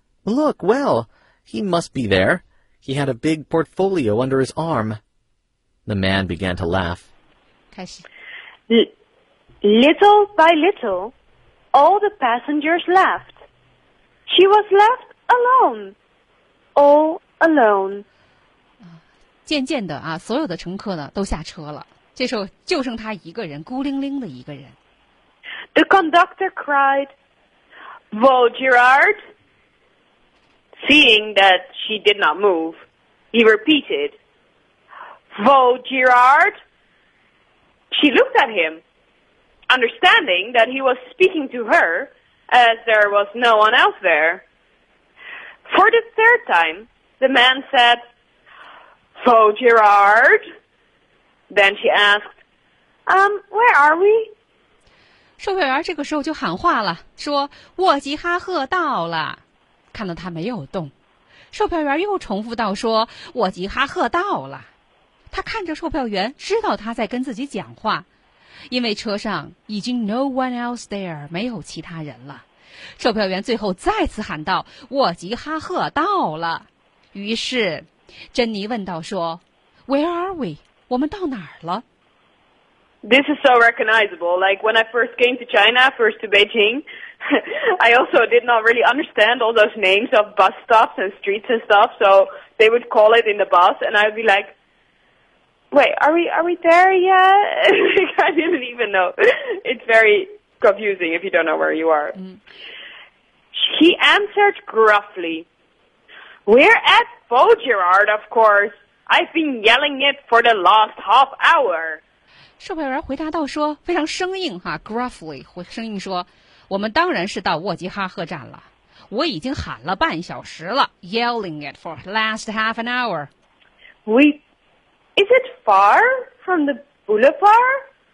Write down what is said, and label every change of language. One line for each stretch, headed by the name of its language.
English: Look, well, he must be there. He had a big portfolio under his arm. The man began to laugh. Little by little, all the passengers left. She was left alone, all alone.
Chinese: 渐渐的啊，所有的乘客呢都下车了，这时候就剩她一个人，孤零零的一个人。
English: The conductor cried, Vaugirard. Seeing that she did not move, he repeated, Vaugirard. She looked at him, understanding that he was speaking to her, as there was no one else there. For the third time, the man said, Vaugirard. Then she asked, where are we?
Chinese: 售票员这个时候就喊话了，说沃吉哈赫到了。看到他没有动，售票员又重复到说沃吉哈赫到了。他看着售票员，知道他在跟自己讲话，因为车上已经
English: no one else there，
Chinese: 没有其他人了。售票员最后再次喊道：“沃吉哈赫到了。” 于是，珍妮问道：“说 ，
English: Where are we？
Chinese: 我们到哪儿了
English: ？”This is so recognizable. Like when I first came to China, first to Beijing, I also did not really understand all those names of bus stops and streets and stuff. So they would call it in the bus, and I'd be like. Wait, are we there yet? I didn't even know. It's very confusing if you don't know where you are. He answered gruffly, We're at Vaugirard, of course. I've been yelling it for the last half hour.
Chinese: 售票员回答道说非常生硬哈 ,gruffly, 生硬说我们当然是到沃吉哈赫站了。我已经喊了半小时了 ,
English: yelling it for the last half an hour. Is it far from the boulevard?